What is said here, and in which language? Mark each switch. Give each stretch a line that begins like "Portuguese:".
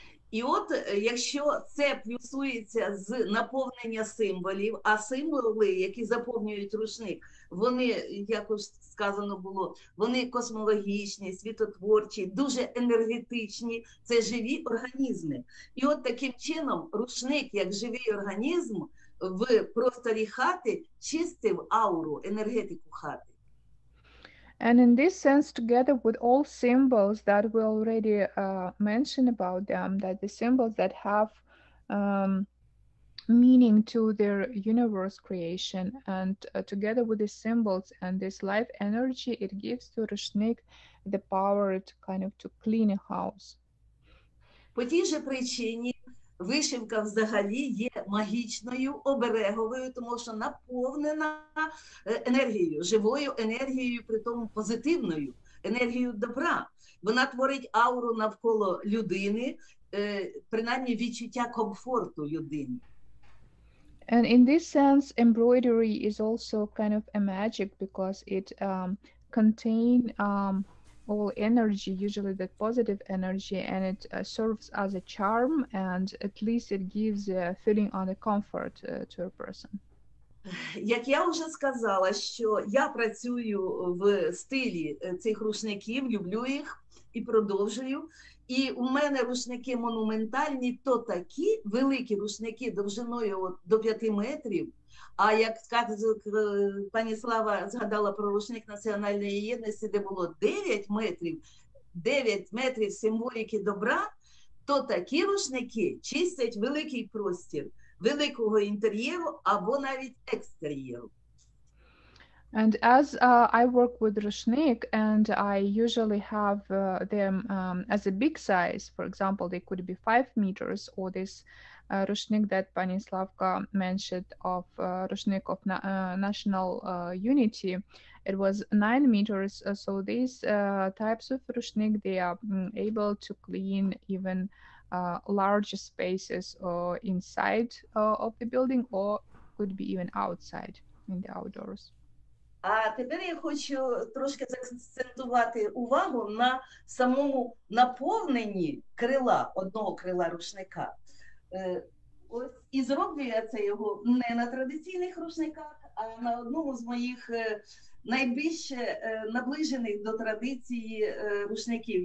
Ukrainian: І от якщо це плюсується з наповнення символів, а символи, які заповнюють рушник, вони, як уж сказано було, вони космологічні, світотворчі, дуже енергетичні, це живі організми. І от таким чином рушник, як живий організм, в просторі хати чистив ауру, енергетику хати.
English: And in this sense, together with all symbols that we already mentioned about them, that the symbols that have meaning to their universe creation, and together with the symbols and this life energy, it gives to Rushnik the power to kind of to clean a house.
Ukrainian: По тій же причині вишивка взагалі є магічною, обереговою, тому що наповнена енергією, живою енергією, при тому позитивною, енергією добра. Вона творить ауру навколо людини, принаймні відчуття комфорту людини.
English: And in this sense, embroidery is also kind of a magic, because it contains all energy, usually that positive energy, and it serves as a charm, and at least it gives a feeling on the comfort to a person.
Ukrainian: Як я вже сказала, що я працюю в стилі цих рушників, люблю їх і продовжую. І у мене рушники монументальні, то такі великі рушники довжиною до 5 метрів. А як пані Слава згадала про рушник національної єдності, де було 9 метрів, 9 метрів символіки добра, то такі рушники чистять великий простір великого інтер'єру або навіть екстер'єру.
English: And as I work with Rushnik and I usually have them as a big size, for example, they could be 5 meters or this Rushnik that Pani Slavka mentioned of Rushnik of National Unity, it was 9 meters. So these types of Rushnik, they are able to clean even larger spaces or inside of the building or could be even outside in the outdoors.
Ukrainian: А тепер я хочу трошки закцентувати увагу на самому наповненні крила, одного крила рушника. Ось і зроблю я це його не на традиційних рушниках, а на одному з моїх найбільше наближених до традиції рушників.